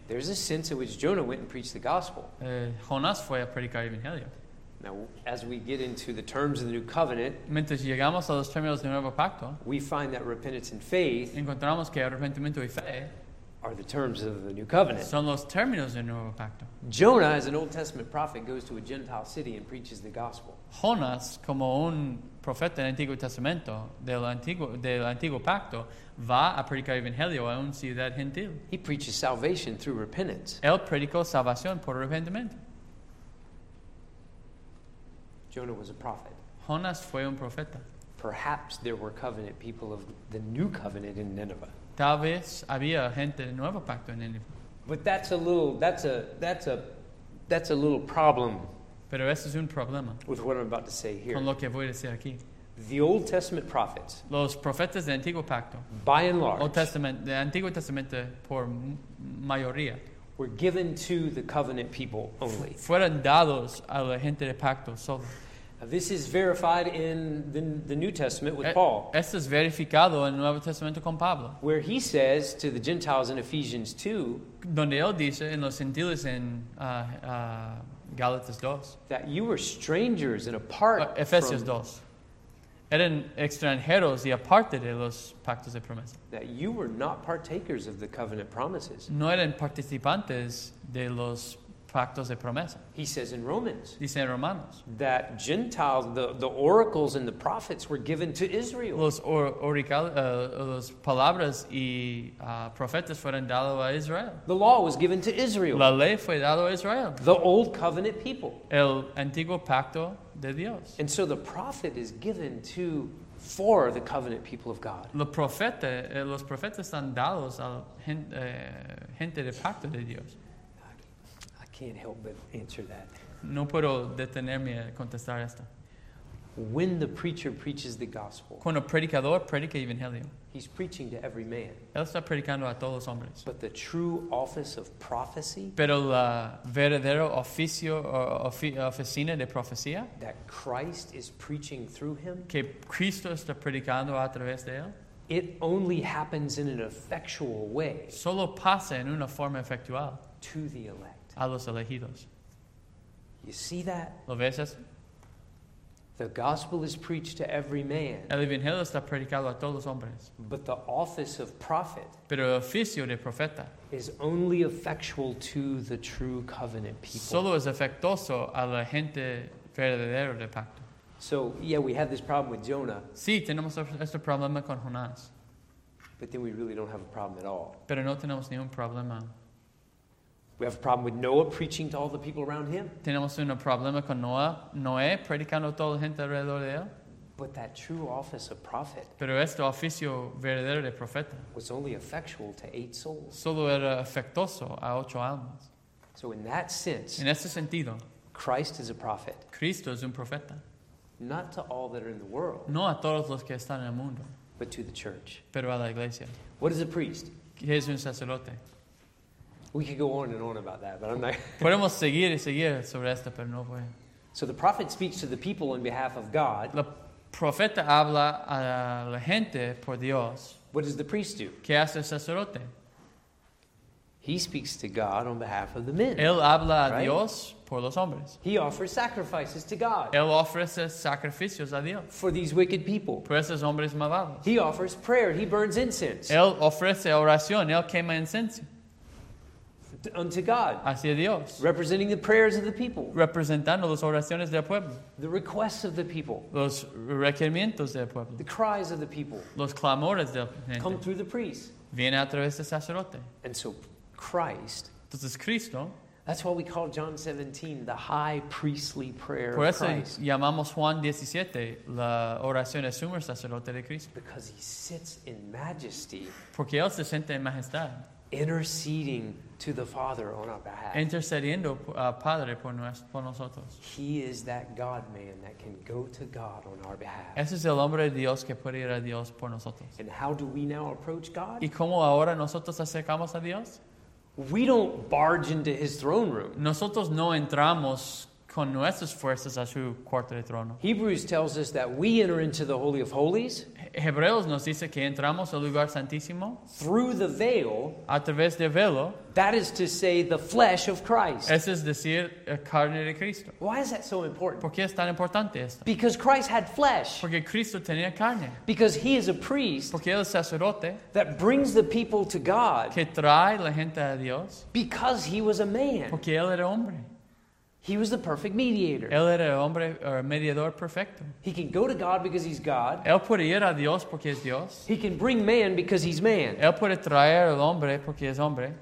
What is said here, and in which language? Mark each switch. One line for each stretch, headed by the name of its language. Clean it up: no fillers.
English: There's a sense in which Jonah went and preached the gospel.
Spanish: Jonas fue a predicar el evangelio.
English: Now, as we get into the terms of the new covenant,
Spanish: mientras llegamos a los términos del nuevo pacto,
English: we find that repentance and faith,
Spanish: encontramos que arrepentimiento y fe,
English: are the terms of the new covenant.
Spanish: Son los términos del nuevo pacto.
English: Jonah, as an Old Testament prophet, goes to a Gentile city and preaches the gospel.
Spanish: Jonas, como un profeta del Antiguo Testamento, del antiguo pacto, va a predicar el evangelio a una ciudad gentil.
English: He preaches salvation through repentance.
Spanish: Él predicó salvación por arrepentimiento.
English: Jonah was a prophet.
Spanish: Jonas fue un profeta.
English: Perhaps there were covenant people of the new covenant in Nineveh.
Spanish: Tal vez había gente del nuevo pacto en Nineveh.
English: But that's a little problem.
Spanish: Pero eso es un problema.
English: With what I'm about to say here.
Spanish: Con lo que voy a decir aquí.
English: The Old Testament prophets.
Spanish: Los profetas del Antiguo Pacto.
English: By and large.
Spanish: Old Testament, el Antiguo Testamento por mayoría.
English: Were given to the covenant people only.
Spanish: Fueron dados a la gente de pacto solo.
English: This is verified in the New Testament with Paul.
Spanish: Esto es verificado en el Nuevo Testamento con Pablo.
English: Where he says to the Gentiles in Ephesians 2.
Spanish: Donde él dice en los gentiles en Gálatas 2.
English: That you were strangers and apart from.
Spanish: Efesios 2. Eran extranjeros y aparte de los pactos de promesa.
English: That you were not partakers of the covenant promises.
Spanish: No eran participantes de los pactos de promesa.
English: He says in Romans.
Spanish: Dice en Romanos.
English: That Gentiles, the oracles and the prophets were given to Israel.
Spanish: Los palabras y profetas fueron dados a Israel.
English: The law was given to Israel.
Spanish: La ley fue dada a Israel.
English: The old covenant people.
Spanish: El antiguo pacto. De Dios.
English: And so the prophet is given to for the covenant people of God.
Spanish: Los profetas están dados a gente de pacto de Dios.
English: I can't help but answer that.
Spanish: No puedo detenerme a contestar esto.
English: When the preacher preaches the gospel.
Spanish: Cuando el predicador predica el evangelio.
English: He's preaching to every man.
Spanish: Él está predicando a todos los hombres.
English: But the true office of prophecy.
Spanish: Pero el verdadero oficio o oficina de profecía.
English: That Christ is preaching through him.
Spanish: Que Cristo está predicando a través de él.
English: It only happens in an effectual way.
Spanish: Solo pasa en una forma efectual.
English: To the elect.
Spanish: A los elegidos.
English: You see that?
Spanish: ¿Lo ves eso?
English: The gospel is preached to every man.
Spanish: El evangelio está predicado a todos los hombres.
English: But the office of prophet.
Spanish: Pero el oficio de profeta.
English: Is only effectual to the true covenant people.
Spanish: Solo es efectuoso a la gente verdadera del pacto.
English: So yeah, we have this problem with Jonah.
Spanish: Sí, tenemos este problema con Jonás.
English: But then we really don't have a problem at all.
Spanish: Pero no tenemos ningún problema.
English: We have a problem with Noah preaching to all the people around him.
Spanish: Tenemos un problema con Noé predicando a toda la gente alrededor de él.
English: But that true office of prophet.
Spanish: Pero este oficio verdadero de profeta.
English: Was only effectual to 8 souls.
Spanish: Solo era efectuoso a 8 almas.
English: So in that sense.
Spanish: En ese sentido.
English: Christ is a prophet.
Spanish: Cristo es un profeta.
English: Not to all that are in the world.
Spanish: No a todos los que están en el mundo.
English: But to the church.
Spanish: Pero a la iglesia.
English: What is a priest?
Spanish: ¿Qué es un sacerdote?
English: We could go on and on about that, but I'm not.
Spanish: Podemos seguir y seguir sobre esto, pero no voy.
English: So the prophet speaks to the people on behalf of God.
Spanish: El profeta habla a la gente por Dios.
English: What does the priest do?
Spanish: ¿Qué hace el sacerdote?
English: He speaks to God on behalf of the men.
Spanish: Él habla a Dios por los hombres.
English: He offers sacrifices to God.
Spanish: Él ofrece sacrificios a Dios.
English: For these wicked people.
Spanish: Por esos hombres malvados.
English: He offers prayer. He burns incense.
Spanish: Él ofrece oración. Él quema incienso.
English: Unto God.
Spanish: Hacia Dios.
English: Representing the prayers of the people.
Spanish: Representando las oraciones del pueblo.
English: The requests of the people.
Spanish: Los requerimientos del pueblo.
English: The cries of the people.
Spanish: Los clamores del gente.
English: Come through the priest.
Spanish: Viene a través del sacerdote.
English: And so Christ.
Spanish: Entonces Cristo.
English: That's why we call John 17 the high priestly prayer of
Spanish: Por eso llamamos Juan 17 la oración del sumo sacerdote de Cristo.
English: Because he sits in majesty.
Spanish: Porque él se siente en majestad.
English: Interceding to the Father on our behalf.
Spanish: Intercediendo al Padre por nosotros.
English: He is that God-man that can go to God on our behalf.
Spanish: Ese es el hombre de Dios que puede ir a Dios por nosotros.
English: And how do we now approach God?
Spanish: ¿Y cómo ahora nosotros acercamos a Dios?
English: We don't barge into his throne room.
Spanish: Nosotros no entramos con nuestras fuerzas a su cuarto de trono.
English: Hebrews tells us that we enter into the Holy of Holies.
Spanish: Hebreos nos dice que entramos al lugar santísimo.
English: Through the veil.
Spanish: A través del velo.
English: That is to say the flesh of Christ.
Spanish: Eso es decir, la carne de Cristo.
English: Why is that so important?
Spanish: ¿Por qué es tan importante esto?
English: Because Christ had flesh.
Spanish: Porque Cristo tenía carne.
English: Because he is a priest.
Spanish: Porque él es sacerdote.
English: That brings the people to God.
Spanish: Que trae la gente a Dios.
English: Because he was a man.
Spanish: Porque él era hombre.
English: He was the perfect mediator.
Spanish: Él era el hombre, el mediador perfecto.
English: He can go to God because he's God.
Spanish: Él puede ir a Dios porque es Dios.
English: He can bring man because he's man.
Spanish: Él puede traer al hombre porque es hombre.